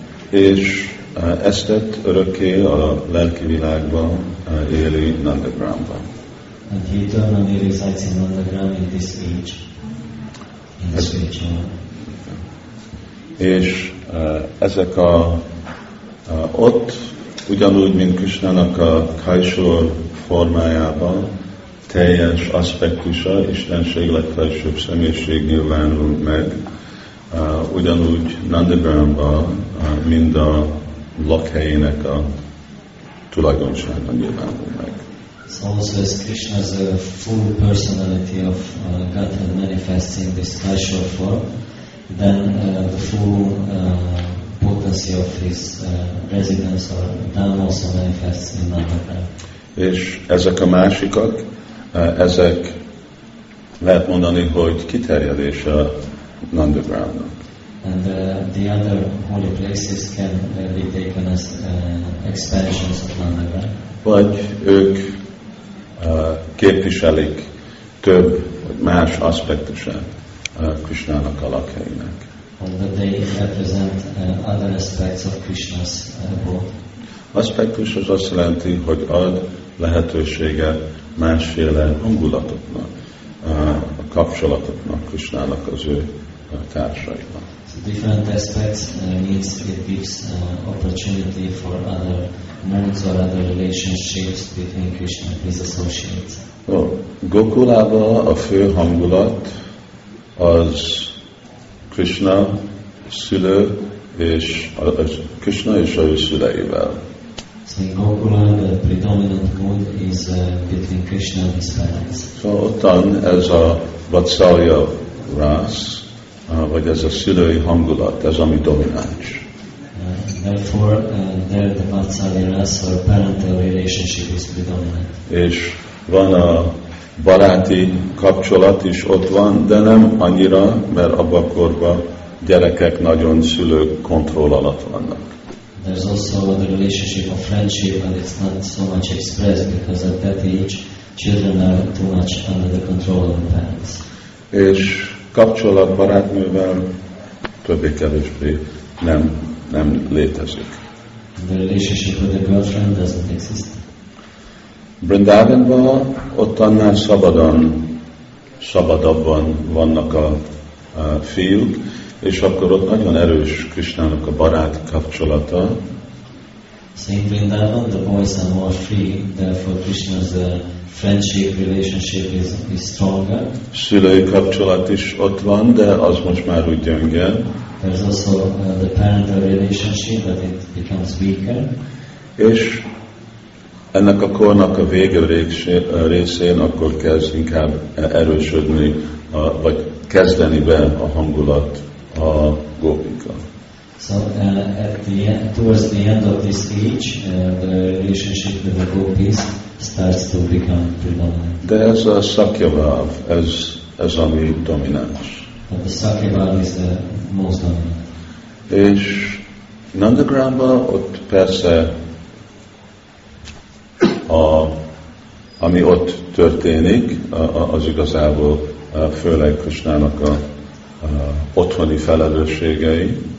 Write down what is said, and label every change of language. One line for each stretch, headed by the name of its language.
Hungarian: És eztet örökké a lelki világban éli Nandagramban.
English: And he eternally resides in Nandagram in this age, in this age.
Hungarian: És ezek a ott ugyanúgy, mint Krisnának a kajsor formájában teljes aspektusa, Istenség legfelsőbb személyiség nyilvánul meg, ugyanúgy Nandagramban mind a lakhelyének a tulajdonsága nyilvánul meg.
English: So also as Krishna is a full personality of Godhead manifesting this casual form, then the full potency of his residence or dham also manifests in Navaka.
Hungarian: És ezek a másikak, ezek lehet mondani, hogy kiterjedése a Nandagramnak.
English: And the other holy places can be taken as expansions of Nandagram.
Hungarian: Vagy ők képviselik több vagy más aspektusát Krishnának alakjainak.
English: But they represent other aspects of Krishna's role.
Hungarian: Aspektus az azt jelenti, hogy ad lehetősége másféle hangulatoknak, a kapcsolatoknak, Krishnának az ő társaiban.
English: So different aspects means it gives opportunity for other modes or other relationships between Krishna and his associates.
Hungarian: Gokulába a fő hangulat az Krishna szülő és Krishna és a szüleivel.
English: In Gokula, the predominant mood is between Krishna and his parents.
Hungarian: So, ottan ez a vatsalya rász, vagy ez a szülői hangulat, ez ami domináns.
English: Therefore, there the vatsalya rász, or parental relationship, is predominant.
Hungarian: És van a baráti kapcsolat is ott van, de nem annyira, mert abba a korban gyerekek nagyon szülők kontroll alatt vannak.
English: There's also the relationship of friendship, and it's not so much expressed because at that age children are too much under the control of the parents.
Hungarian: És kapcsolat barátnővel többé-kevésbé nem létezik.
English: The relationship with the girlfriend doesn't exist.
Hungarian: Brindavanban ottan már szabadabban vannak a fiúk, és akkor ott nagyon erős Krisnának a baráti kapcsolata.
English: Saint Vrindavan, the boys are more free, therefore Krishna's friendship relationship is stronger.
Hungarian: Szülői kapcsolat is ott van, de az most már úgy gyönge.
English: There's also the parental relationship, but it becomes weaker.
Hungarian: És ennek a kornak a vége részén akkor kezd inkább erősödni, vagy kezdeni be a hangulat a gópika.
English: So at the end, towards the end of this age, the relationship with the gopis starts to become predominant.
Hungarian: De ez a szakyabhav, ez ami domináns.
English: But the szakyabhav is the most dominant.
Hungarian: És Nandagramba ott persze ami ott történik, az igazából főleg Krisnának a otthoni felelősségei.